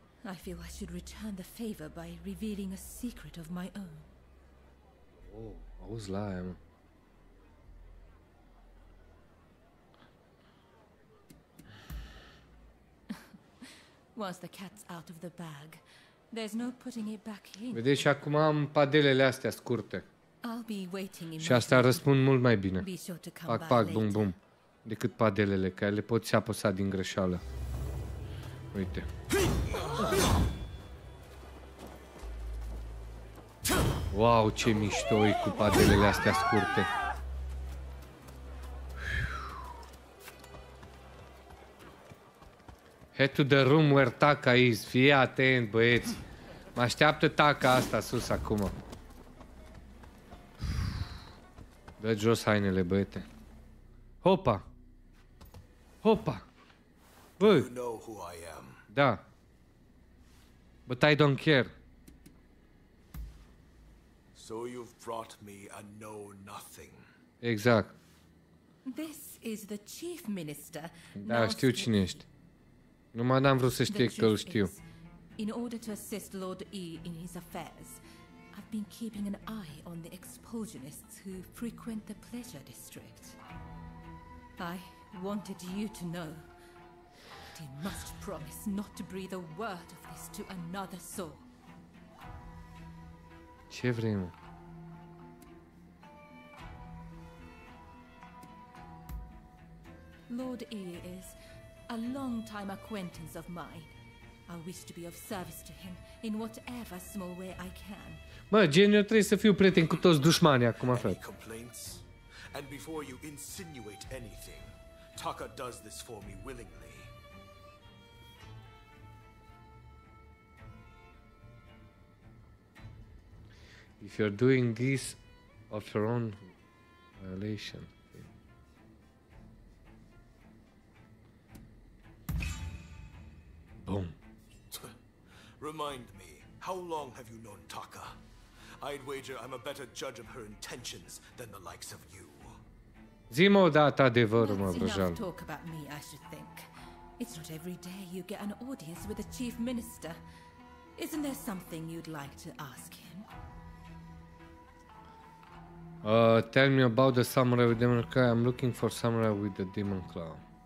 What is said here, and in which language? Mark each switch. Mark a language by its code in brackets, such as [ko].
[en] I feel I should return the favor by revealing a secret of my own. [ro] Oh, auzi la aia, mă. [en] Once the cat's out of the bag, there's no putting it back in. [ro] Vedeți, și acum am padelele astea scurte. [en] I'll be waiting in. [ro] Și asta răspund mult mai bine. Pac pac bum bum. Decât padelele, că le poți apăsa din greșeală. Uite. Wow, ce mișto e cu padelele astea scurte. [en] Head to the room where Taka is. [ro] Fii atent, băieți. Mă așteaptă Taka asta sus acum. Dă jos hainele, băiete. Hopa. Hopa. [en] Bă. You know who I am. Da. But I don't care. So you've brought me a know nothing. [ro] Exact. [en] This is the chief minister. [ro] Da, știu cine ești. Numai n-am vrut să știe că îl știu. [en] In order to assist Lord E in his affairs, I've been keeping an eye on the explosionists who frequent the pleasure district. I wanted you to know. But you must promise not to breathe a word of this to another soul. [ro] Ce vrei, mă? [en] Lord E is a long time acquaintance of mine. I wish to be of service to him in whatever small way I can. [ro] Mă, gen, eu trebuie să fiu prieten cu toți dușmanii acum, frate. [en] Any complaints? And before you insinuate anything, Taka does this for me willingly. If you're doing this of your own violation. Boom. Remind me, how long have you known Taka? I'd wager I'm a better judge of her intentions than the likes of you. [ro] Zi-mă odată adevărul, mă vrăjeam. [en] That's enough talk about me, I should think. It's not every day you get an audience with the chief minister. Isn't there something you'd like to ask him? Tell me about the samurai with demon clan. I'm looking for samurai with the demon clan.